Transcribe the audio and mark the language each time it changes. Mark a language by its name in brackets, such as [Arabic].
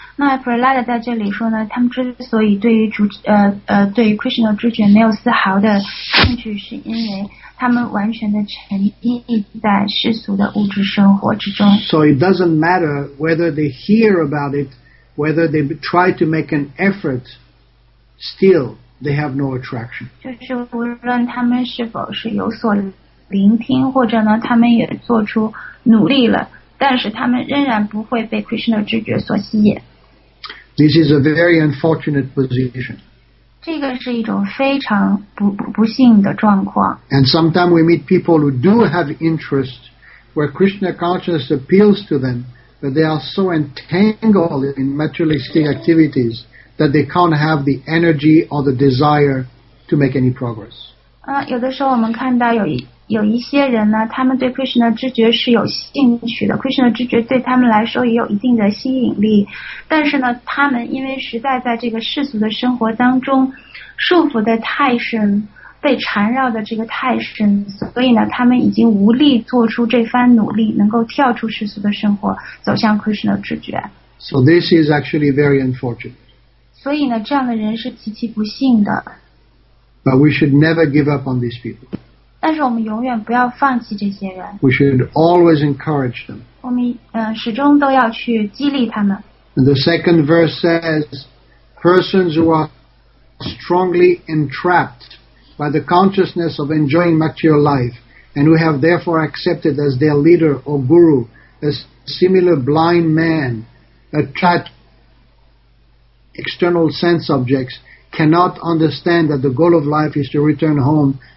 [Chinese] 那 Prahlad 在这里说呢，他们之所以对于 Krishna 知觉没有丝毫的兴趣，是因为他们完全的沉溺在世俗的物质生活之中。 [English] So it doesn't matter whether they hear about it, whether they try to make an effort, still they have no attraction. [Chinese] 就是无论他们是否是有所聆听，或者呢他们也做出努力了，但是他们仍然不会被 Krishna 知觉所吸引。 [English] This is a very unfortunate position. [Chinese] 这个是一种非常 不幸的状况。 [English] And sometimes we meet people who do have interest, where Krishna consciousness appeals to them, but they are so entangled in materialistic activities that they can't have the energy or the desire to make any progress. [Chinese] 有的时候我们看到有一些人呢，他们对 Krishna 知觉是有兴趣的， Krishna 知觉对他们来说也有一定的吸引力，但是呢他们因为实在在这个世俗的生活当中束缚的太深，被缠绕的这个太深，所以呢他们已经无力做出这番努力，能够跳出世俗的生活，走向 Krishna 知觉。 [English] So this is actually very unfortunate. [Chinese] 所以呢这样的人是极其不幸的。 [English] But we should never give up on these people. [Chinese] 但是我们永远不要放弃这些人。 [English] We should always encourage them. [Chinese] 我们始终都要去激励他们。 [English] And the second verse says, persons who are strongly entrapped by the consciousness of enjoying material life, and who have therefore accepted as their leader or guru a similar blind man, attached external sense objects, cannot understand that the goal of life is to return home.